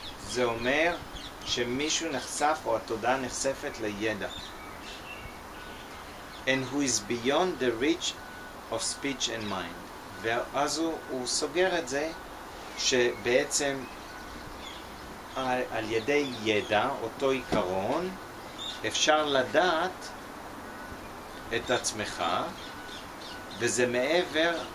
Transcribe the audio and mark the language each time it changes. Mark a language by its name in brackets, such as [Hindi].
[Hebrew] זה אומר שמישהו נחשף או התודעה נחשפת לידע. [English] And who is beyond the reach of speech and mind. [Hebrew] ואז הוא סוגר את זה שבעצם על ידי ידע, אותו עיקרון, אפשר לדעת את עצמך, וזה מעבר